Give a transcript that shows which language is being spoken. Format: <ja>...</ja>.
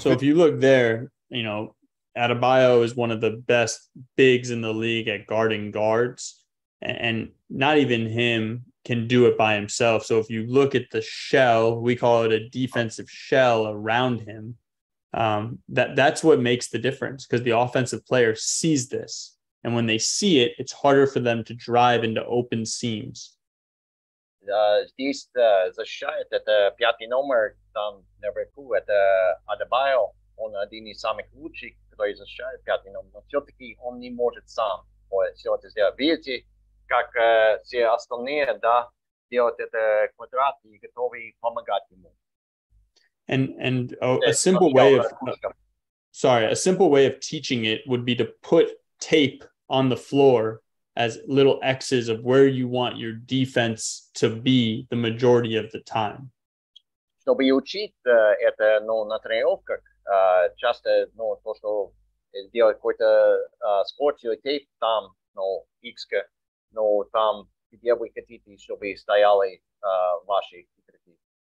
<en>So if you look there, you know, Adebayo is one of the best bigs in the league at guarding guards, and not even him can do it by himself. So if you look at the shell, we call it a defensive shell around him. That's what makes the difference, because the offensive player sees this. And when they see it, it's harder for them to drive into open seams.</en> <ru>Здесь защищает это пятый номер там наверху, это Адебайо. Он один из самых лучших, который защищает пятый номер. Но все-таки он не может сам все это сделать. Видите, как все остальные, да, делают это квадрат и готовы помогать ему.</ru> <en>And a simple way of teaching it would be to put tape on the floor as little X's of where you want your defense to be the majority of the time.</en> <ru>Чтобы учить это, но на тренировках часто, ну, то, что делать какой-то спорт или тейп там, ну, X-ка, но там, где вы хотите, чтобы стояли ваши игроки.</ru>